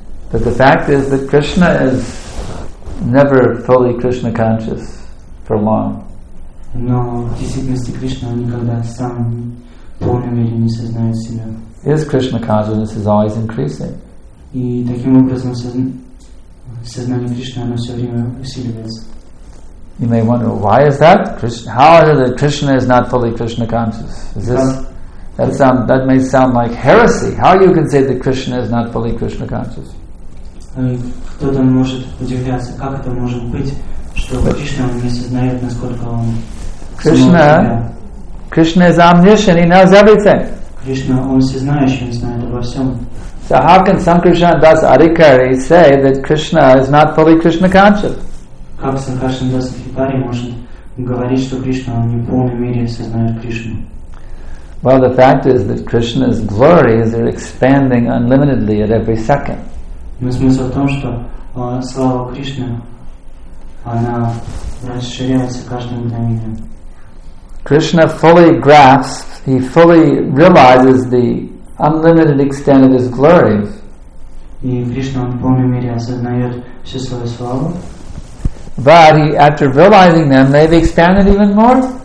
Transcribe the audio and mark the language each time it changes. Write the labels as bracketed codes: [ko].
[en] But the fact is that Krishna is never fully Krishna conscious for long. [ru] Но в действительности Кришна никогда сам полной мере не сознает себя. [en] His Krishna consciousness is always increasing. [ru] И таким образом сознание Кришны оно все время усиливается. [en] You may wonder, why is that? How is it that Krishna is not fully Krishna conscious? Is this that may sound like heresy? How you can say that Krishna is not fully Krishna conscious? [ru] Кто-то может удивляться, как это может быть, что Кришна не сознает, насколько он [en] Кришна is omniscient, he knows everything. [ru] Кришна, он всезнающий, он знает обо всем. [en] So how can Sankarsana Das Adhikari say that Krishna is not fully Krishna conscious? [ru] Как Sankarsana Das Adhikari может говорить, что Кришна не в полной мере сознает Кришну? [en] Well, the fact is that Krishna's glories are expanding unlimitedly at every second. [ru] Но смысл в том, что слава Кришны, она расширяется каждым мгновением. [en] Krishna fully grasps, he fully realizes the unlimited extent of his glories. [ru] И Кришна в полной мере осознает всю свою славу. [en] But he, after realizing them, they've expanded even more.